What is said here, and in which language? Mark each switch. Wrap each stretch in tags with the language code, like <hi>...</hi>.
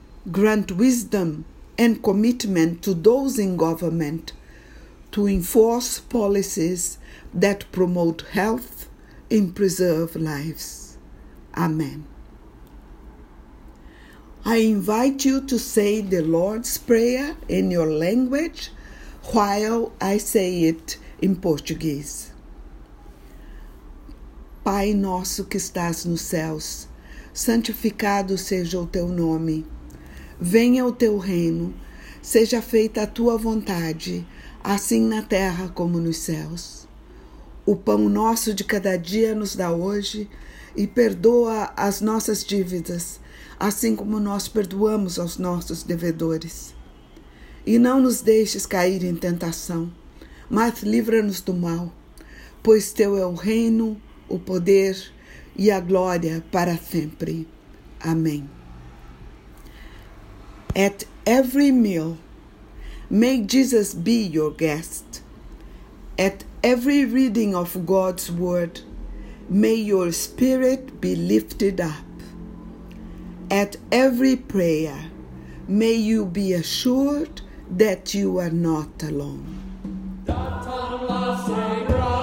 <en>Grant wisdom and commitment to those in government to enforce policies that promote health and preserve lives. Amen. I invite you to say the Lord's Prayer in your language while I say it in Portuguese.</en> <pt>Pai nosso que estás nos céus, santificado seja o teu nome. Venha o teu reino, seja feita a tua vontade, assim na terra como nos céus. O pão nosso de cada dia nos dá hoje e perdoa as nossas dívidas, assim como nós perdoamos aos nossos devedores. E não nos deixes cair em tentação, mas livra-nos do mal, pois teu é o reino, o poder e a glória para sempre. Amém.</pt> <en>At every meal, may Jesus be your guest. At every reading of God's word, may your spirit be lifted up. At every prayer, may you be assured that you are not alone.</en>